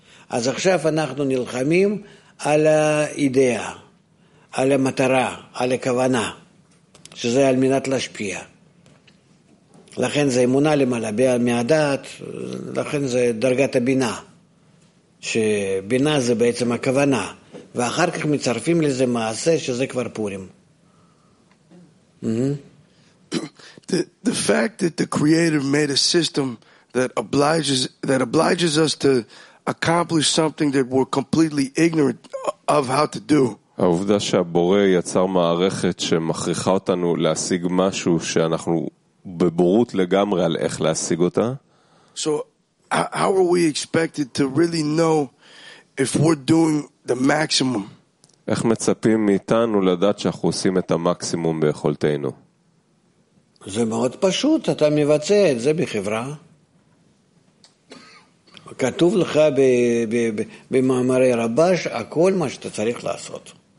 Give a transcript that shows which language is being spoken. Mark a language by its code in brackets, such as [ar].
[he] אז עכשיו אנחנו נלחמים על האידאה, על המטרה, על הכוונה, שזה על מנת להשפיע. לכן זה אמונה למעלה, מהדעת, לכן זה דרגת הבינה, שבינה זה בעצם הכוונה, ואחר כך מצרפים לזה מעשה שזה כבר פורים. [en] The fact that the creator made a system that obliges us to accomplish something that we're completely ignorant of how to do. [he] העובדה שהבורא יצר מערכת שמכריחה אותנו להשיג משהו שאנחנו בבורות לגמרי על איך להשיג אותה. [en] So how are we expected to really know if we're doing the maximum? [he] איך מצפים מאיתנו לדעת שאנחנו עושים את המקסימום ביכולתנו? זה מאוד פשוט, אתה מבצע את זה בחברה. כתוב לך במאמרי רבש הכל מה שאתה צריך לעשות.